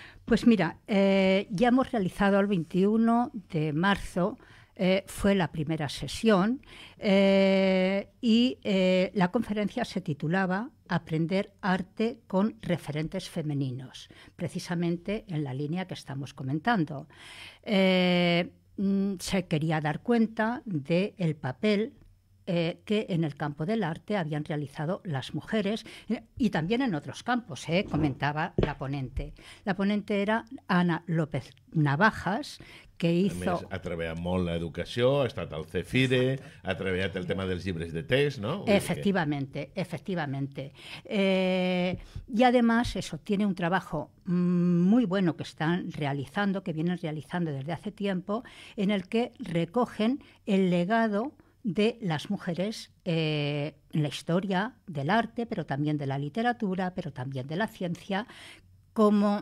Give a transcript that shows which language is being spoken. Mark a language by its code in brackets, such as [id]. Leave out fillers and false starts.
[es] Pues mira, ya hemos realizado el 21 de marzo, fue la primera sesión, y la conferencia se titulaba Aprender arte con referentes femeninos, precisamente en la línea que estamos comentando. Se quería dar cuenta del papel que en el campo del arte habían realizado las mujeres y también en otros campos, comentaba la ponente. La ponente era Ana López Navajas, que hizo... [ca] A més, treballat molt l'educació, ha estat al CEFIRE, ha treballat el tema dels llibres de text, no? [es] Efectivamente, efectivamente. Y además, eso, tiene un trabajo muy bueno que están realizando, que vienen realizando desde hace tiempo, en el que recogen el legado de las mujeres en la historia del arte, pero también de la literatura, pero también de la ciencia, como